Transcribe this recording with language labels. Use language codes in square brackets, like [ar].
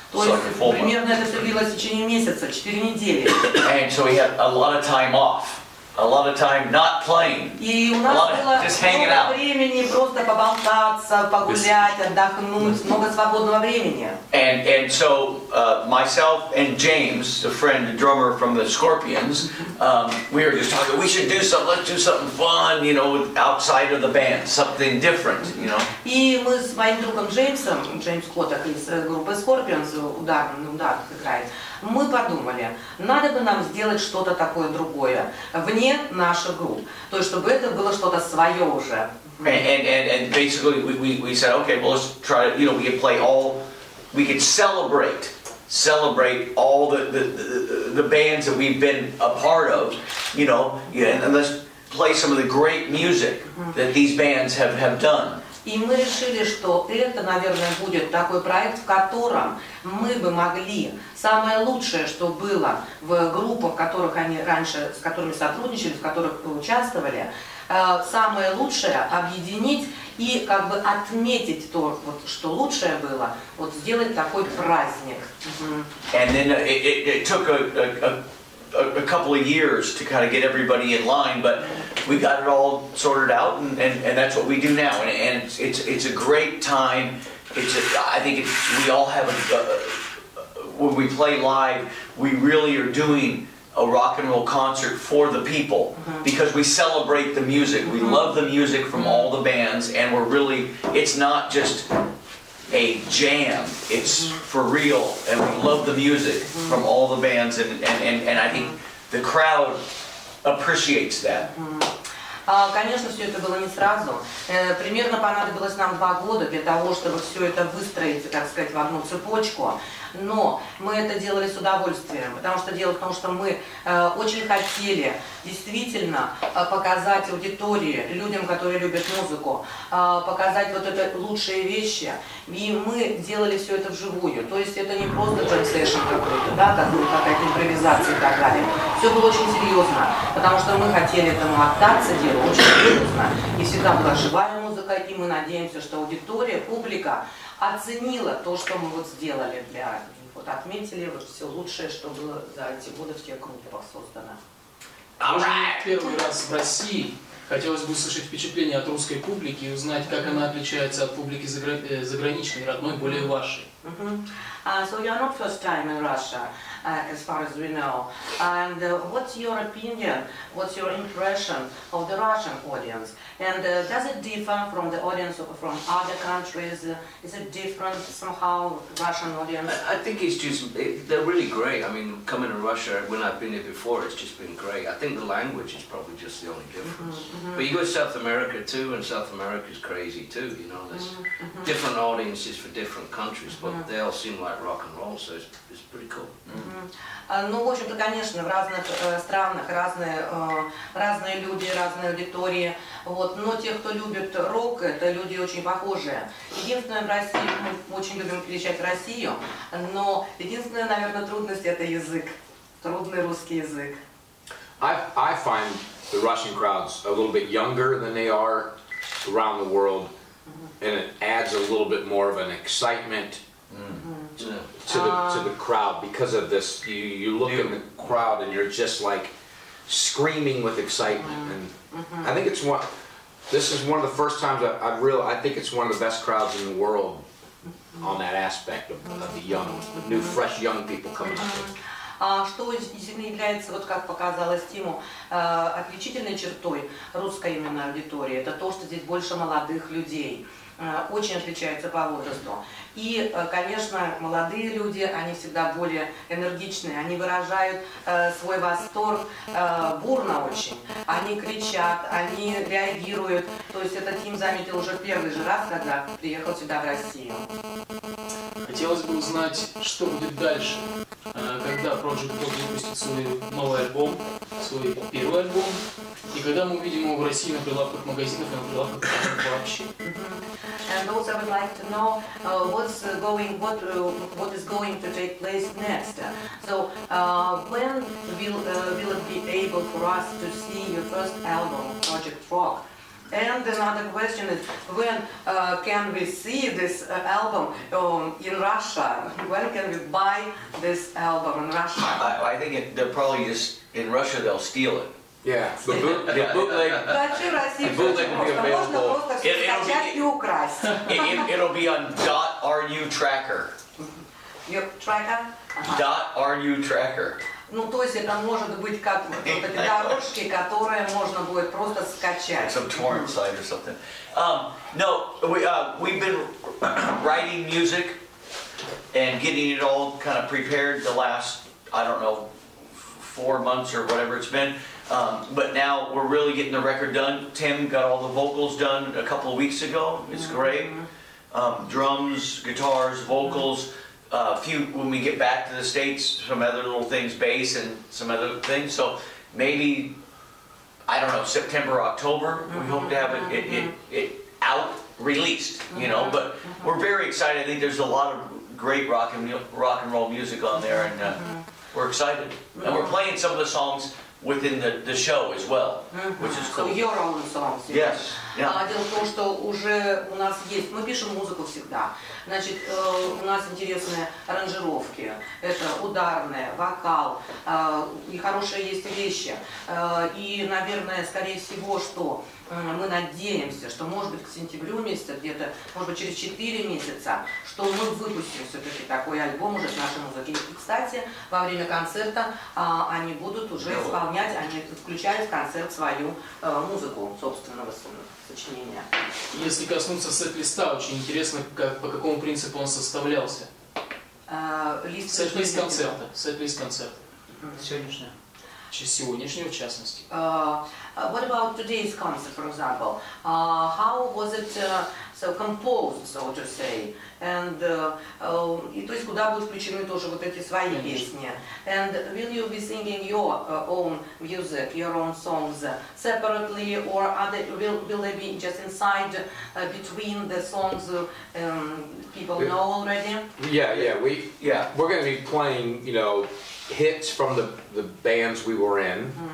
[ru] То есть примерно это длилось в течение месяца, 4 недели. [en] And so we had a lot of time off, a lot of time not playing, a lot of just hanging out. [ru] Времени просто поболтаться, погулять, отдохнуть, много свободного времени. [en] And so myself and James, the friend, the drummer from the Scorpions, we were just talking, we should do something, let's do something fun, you know, outside of the band, something different, you know. [ru] И мы с моим другом Джеймсом, Джеймс Коток из группы Scorpions, ударник играет. Мы подумали, надо бы нам сделать что-то такое другое вне наших групп, то есть чтобы это было что-то свое уже. [en] And basically we said, okay, well, let's try to, you know, we could play all, we could celebrate all the bands that we've been a part of, you know, and let's play some of the great music that these bands have done. [ru] И мы решили, что это, наверное, будет такой проект, в котором мы бы могли самое лучшее, что было в группах, в которых они раньше, с которыми сотрудничали, в которых участвовали, самое лучшее объединить и как бы отметить то, вот, что лучшее было, вот сделать такой праздник. [en] And then it took a couple of years to kind of get everybody in line, but we got it all sorted out, and that's what we do now. And it's a great time. We all have when we play live, we really are doing a rock and roll concert for the people, because we celebrate the music. We love the music from all the bands, and we're really, it's not just a jam, it's for real, and we love the music from all the bands, and I think the crowd appreciates that. [ru] Конечно, все это было не сразу. Примерно понадобилось нам 2 года для того, чтобы все это выстроить, так сказать, в одну цепочку. Но мы это делали с удовольствием, потому что дело в том, что мы очень хотели действительно показать аудитории, людям, которые любят музыку, показать вот это лучшие вещи. И мы делали все это вживую. То есть это не просто джем-сэшн какой-то, да, какая-то импровизация и так далее. Все было очень серьезно, потому что мы хотели этому отдаться, дело очень серьезно. И всегда была живая музыка, и мы надеемся, что аудитория, публика оценила то, что мы вот сделали для них, вот отметили вот все лучшее, что было за эти годы в тех группах создано. Первый раз в России. Хотелось бы услышать впечатление от русской публики и узнать, как она отличается от публики заграничной, родной, более вашей. [en] So you are not first time in Russia, as far as we know. And what's your opinion, what's your impression of the Russian audience? And does it differ from the audience from other countries? Is it different somehow, Russian audience? I think it's just, they're really great. I mean, coming to Russia, when I've been there before, it's just been great. I think the language is probably just the only difference. But you go to South America too, and South America's crazy too, you know. There's different audiences for different countries, but they all seem like rock-н-ролл, so it's pretty cool. [ru] Ну, в общем-то, конечно, в разных странах разные люди, разные аудитории. Вот. Но те, кто любит рок, это люди очень похожие. Единственное, в России, мы очень любим приезжать в Россию, но единственная, наверное, трудность – это язык. Трудный русский язык. [en] I find the Russian crowds a little bit younger than they are around the world, and it adds a little bit more of an excitement to the crowd because of this. You look in the crowd and you're just like, screaming with excitement. Mm-hmm. And I think it's one, this is one of the first times I've really, I think it's one of the best crowds in the world on that aspect of the young, the new, fresh young people coming up. [ru] Что действительно является, вот как показала Стиму, отличительной чертой русской именно аудитории, это то, что здесь больше молодых людей, очень отличаются по возрасту. И, конечно, молодые люди, они всегда более энергичные, они выражают свой восторг бурно очень, они кричат, они реагируют. То есть этот Тим заметил уже в первый же раз, когда приехал сюда в Россию. Хотелось бы узнать, что будет дальше, когда Project Bob выпустит свой новый альбом, свой первый альбом, и когда мы увидим его в России на прилавках магазинов и на прилавках вообще. [en] And also I would like to know what is going to take place next. So when will it be able for us to see your first album, Project Frog? And another question is, when can we see this album in Russia? When can we buy this album in Russia? I think they'll probably just, in Russia, they'll steal it. Yeah, the bootleg will be available. It'll be on .ru tracker. Your tracker? .ru tracker. [ru] Ну, то есть это может быть как вот эти дорожки, которые можно будет просто скачать. [en] Like some torrent site or something. No, we've been writing music and getting it all kind of prepared the last, I don't know, 4 months or whatever it's been. But now we're really getting the record done. Tim got all the vocals done a couple of weeks ago. It's great. Drums, guitars, vocals. When we get back to the States, some other little things, bass and some other things. So maybe, I don't know, September, October, we hope to have it out, released, you know. But we're very excited. I think there's a lot of great rock and roll music on there, and we're excited. And we're playing some of the songs within the show as well, which is cool. So your own songs. Yes. Yeah. [ru] Дело в том, что уже у нас есть, мы пишем музыку всегда. Значит, у нас интересные аранжировки. Это ударные, вокал, и хорошие есть вещи. И, наверное, скорее всего, что мы надеемся, что, может быть, к сентябрю месяца, где-то, может быть, через 4 месяца, что мы выпустим все-таки такой альбом уже с нашей музыкой. И, кстати, во время концерта они будут уже исполнять, они включают в концерт свою музыку собственного сочинения. Если коснуться сет-листа, очень интересно, по какому принципу он составлялся. Сет-лист концерта. Сет-лист концерта. Сегодняшнего. Сегодняшнего, в частности. [en] What about today's concert, for example? How was it so composed, so to say? [ru] And и то есть куда будут включены тоже вот эти свои песни? [en] And will you be singing your own music, your own songs separately, or will they be just inside between the songs people know already? We're going to be playing, you know, hits from the bands we were in.